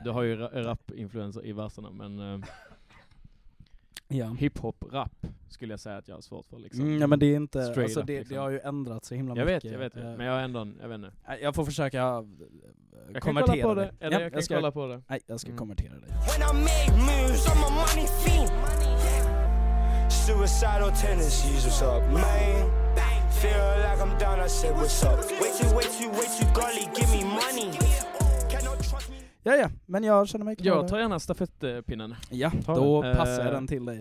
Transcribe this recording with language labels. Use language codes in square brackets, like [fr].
[sv] Du har ju rap-influencer i verserna, men... Ja. Hiphop, rap skulle jag säga att jag har svårt för. Liksom. Mm, ja, men det är inte, alltså, det, liksom. Det har ju ändrat så himla jag mycket. Jag vet, men jag är ändå, jag vet inte. Jag får försöka konvertera det. Eller jag ska kolla på det. Nej, jag ska konvertera det. [en] When I make moves, I'm a money fiend. Suicidal tendencies, what's up, man? Feel like I'm down, I said, what's up? Way too gully, give me money. [sv] Ja, men jag känner mig klar. Jag tar gärna stafettpinnen. Ja, då passar jag den till dig.